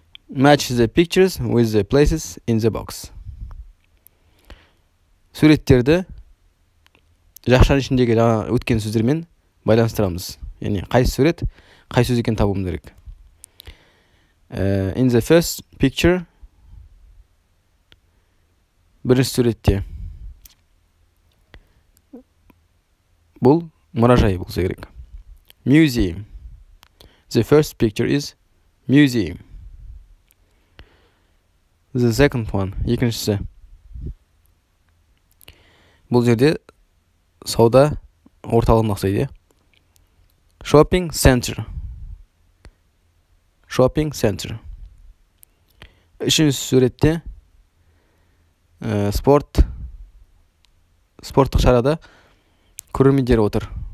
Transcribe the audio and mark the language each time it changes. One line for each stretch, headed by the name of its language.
English: Match the pictures with the places in the box.
Kazakh: Суреттерді жақшаның ішіндегі жаңа өткен сөздермен байланыстырамыз. Яғни, қайсы сурет, қайсы сөз екен табуымыз керек.
English: In the first picture,
Kazakh: бірінші суретте. Бұл мұражай болса керек.
English: Museum. The first picture is museum. The second one,
Kazakh: екіншісі. Бұл жерде сауда орталығына ұқсайды.
English: Shopping center. Shopping center.
Kazakh: Үшінші суретте спорттық шарада көрермендер отыр.